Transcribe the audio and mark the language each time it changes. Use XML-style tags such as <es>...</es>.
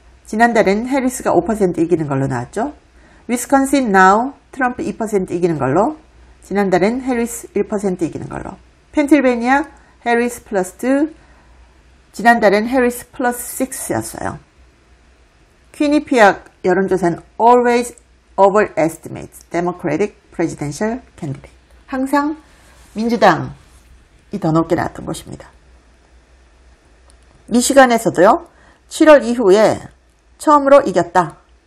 <ko>지난달엔 해리스가 5% 이기는 걸로 나왔죠. 위스콘신 나우 트럼프 2% 이기는 걸로. 지난달엔 해리스 1% 이기는 걸로. 펜실베니아 해리스 플러스 2. 지난달엔 해리스 플러스 6였어요. 퀴니피악 여론조사는</ko> <en>always overestimates Democratic presidential candidate.</en> <ko>항상 민주당이 더 높게 나왔던 것입니다. 미시간에서도요, 7월 이후에 처음으로 이겼다.</ko>